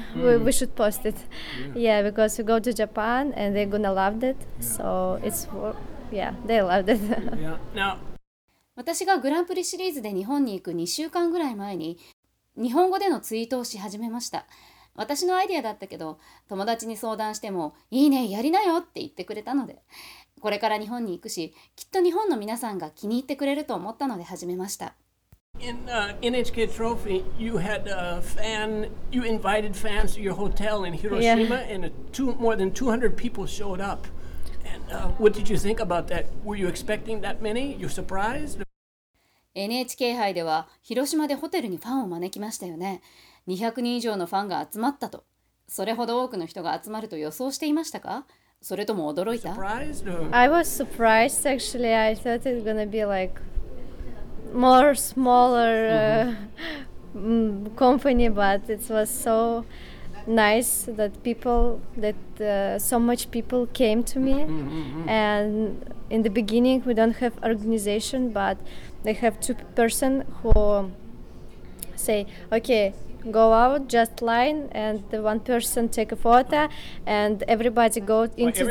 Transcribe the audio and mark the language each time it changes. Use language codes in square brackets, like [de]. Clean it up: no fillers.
[en] We should post it. Yeah, because we go to Japan and they're gonna love it. Yeah. So it's, yeah, they loved it. Yeah. Now, [ja] 私がグランプリシリーズで日本に行く2週間ぐらい前に日本語でのツイートをし始めました。私のアイディアだったけど、友達に相談してもいいね、やりなよって言ってくれたので。これから日本に行くし、きっと日本の皆さんが気に入ってくれると思ったので始めました。 [en] In NHK Trophy, you had a fan, you invited fans to your hotel in Hiroshima, and more than 200 people showed up. And what did you think about that? Were you expecting that many? You surprised? [ja] NHK 杯では、広島でホテルにファンを招きましたよね。 200人以上のファンが集まったと。それほど多くの人が集まると予想していましたか？それとも驚いた？ [en] I was surprised actually. I thought it was gonna be like more smaller company, but it was so nice that people, that so much people came to me. And in the beginning we don't have organization, but they have two person who say, okay, go out, just line, and the one person take a photo, and everybody go into